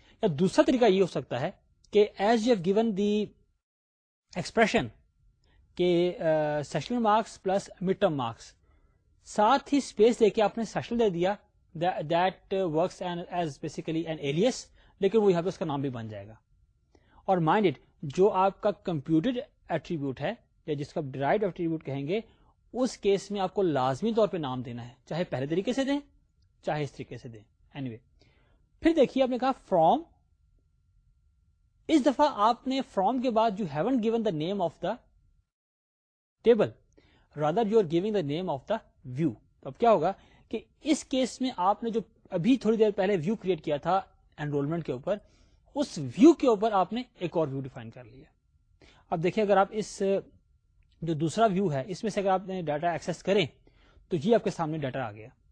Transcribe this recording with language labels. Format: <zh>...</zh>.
<ur>یا دوسرا طریقہ یہ ہو سکتا ہے کہ</ur> <en>as you have given the expression</en> <ur>کہ sessional marks plus mid term marks, ساتھ ہی اسپیس دے کے آپ نے سیشنل دے دیا,</ur> <en>that works as basically an alias,</en> <ur>لیکن وہ یہاں پہ اس کا نام بھی بن جائے گا. اور</ur> <en>mind it,</en> <ur>جو آپ کا کمپیوٹڈ ایٹریبیوٹ ہے یا جس کو آپ ڈرائیوڈ ایٹریبیوٹ کہیں گے, اس کیس میں آپ کو لازمی طور پہ نام دینا ہے, چاہے پہلے طریقے سے دیں چاہے اس طریقے سے دیں.</ur> <en>anyway,</en> <ur>پھر دیکھیے آپ نے کہا فرام, اس دفعہ آپ نے فرام کے بعد</ur> <en>You haven't given the name of the table, rather you are giving the name of the view.</en> <ur>اب کیا ہوگا کہ اس کیس میں آپ نے جو ابھی تھوڑی دیر پہلے ویو کریٹ کیا تھا انرولمنٹ کے اوپر, اس ویو کے اوپر آپ نے ایک اور ویو ڈیفائن کر لیا. اب دیکھیں اگر آپ اس جو دوسرا ویو ہے اس میں سے اگر آپ نے ڈیٹا ایکسس کریں تو یہ آپ کے سامنے ڈیٹا آ گیا.</ur>